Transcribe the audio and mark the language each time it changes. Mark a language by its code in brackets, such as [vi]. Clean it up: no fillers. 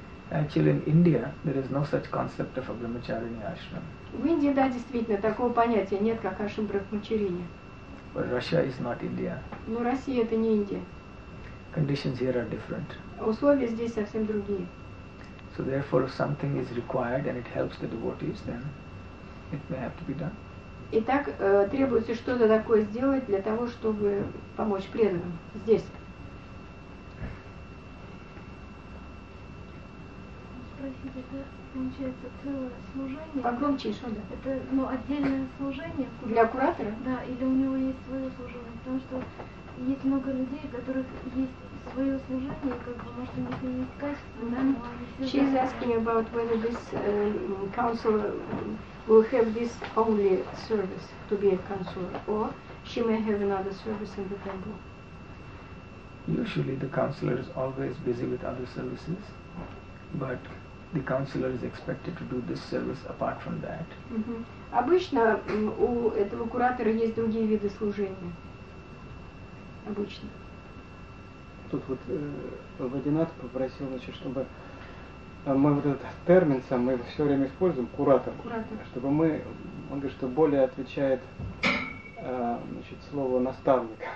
[en] Actually, in India, there is no such concept of a brahmacharini ashram. [ru] В Индии, да, действительно, такого понятия нет, как ашрам брахмачарини. [en] But Russia is not India. [ru] Но Россия — это не Индия. [en] Conditions here are different. [ru] Условия здесь совсем другие. [en] So therefore, if something is required and it helps the devotees, then it may have to be done. [ru] Итак, требуется что-то такое сделать для того, чтобы помочь преданным здесь. Получается целое служение. Погромче, что да? Это, ну, отдельное служение. Куда? Для куратора? Да, или у него есть свое служение. Потому что есть много людей, у которых есть свое служение, как бы, может, у них не есть качество, да, но они все. [en] She's asking about whether this counselor will have this only service to be a counselor, or she may have another service in the temple. Usually the counselor is always busy with other services, but the counselor is expected to do this service apart from that. Mm-hmm. [ru] Обычно у этого куратора есть другие виды служения. Обычно. Тут вот Вадинат попросил, значит, чтобы мы вот этот термин сам мы все время используем, куратор. Куратор. Чтобы мы, он говорит, что более отвечает значит, слово наставник.